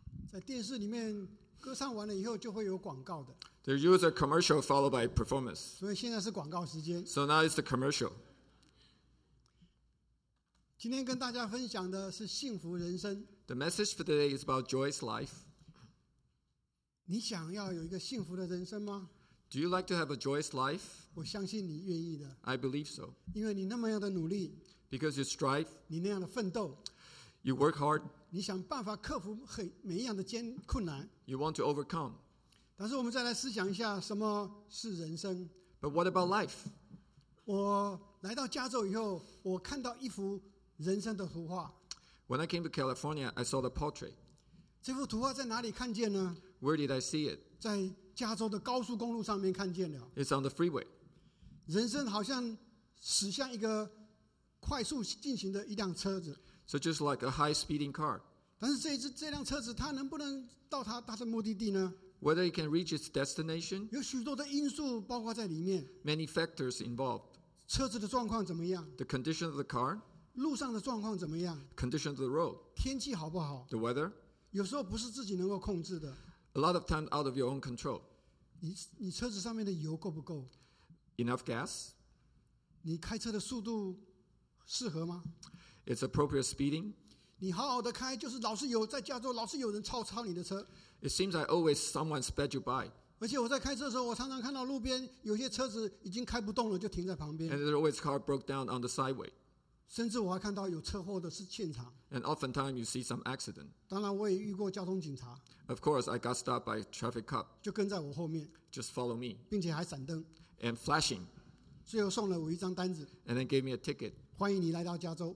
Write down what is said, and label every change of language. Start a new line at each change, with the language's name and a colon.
Chinese: 在电视里面歌唱完了以后就会有广告的。
English: There's usually a commercial followed by performance.
Chinese: 所以现在是广告时间。
English: So now it's the commercial.
Chinese: 今天跟大家分享的是幸福人生。
English: The message for today is about joyous life.
Chinese: 你想要有一个幸福的人生吗？
English: Do you like to have a joyous life?
Chinese: 我相信你愿意的。
English: I believe so.
Chinese: 因为你那么样的努力。
English: Because you strive.
Chinese: 你那样的奋斗。
English: You work hard.
Chinese: 你想办法克服每一样的艰困难。
English: You want to overcome.
Chinese: 但是我们再来思想一下什么是人生。
English: But what about life?
Chinese: 我来到加州以后，我看到一幅人生的图画。
English: When I came to California, I saw the portrait.
Chinese: 这幅图画在哪里看见呢？
English: Where did I see it?
Chinese: 在加州的高速公路上面看见了。
English: It's on the freeway.
Chinese: 人生好像驶向一个快速进行的一辆车子。
English: So just like a high-speeding car.
Chinese: 但是这辆车子它能不能到它的目的地呢？
English: Whether it can reach its destination.
Chinese: 有许多的因素包括在里面。
English: Many factors involved.
Chinese: 车子的状况怎么样？
English: The condition of the car.
Chinese: 路上的状况怎么样？
English: Condition of the road.
Chinese: 天气好不好？
English: The weather.
Chinese: 有时候不是自己能够控制的。
English: A lot of time out of your own control.
Chinese: 你车子上面的油够不够？
English: Enough gas.
Chinese: 你开车的速度适合吗？
English: It's appropriate speeding.
Chinese: 你好好的开，就是老是有在加州老是有人超你的车。
English: It seems like always someone sped you by.
Chinese: 而且我在开车的时候，我常常看到路边有些车子已经开不动了，就停在旁边。
English: And there's always car broke down on the sideway.
Chinese: 甚至我还看到有车祸的是现场。
English: And oftentimes you see some accident.
Chinese: 当然我也遇过交通警察。
English: Of course, I got stopped by traffic cop.
Chinese: 就跟在我后面。
English: Just follow me.
Chinese: 并且还闪灯。
English: And flashing.
Chinese: 最后送了我一张单子。
English: And then gave me a ticket.
Chinese: 欢迎你来到加州。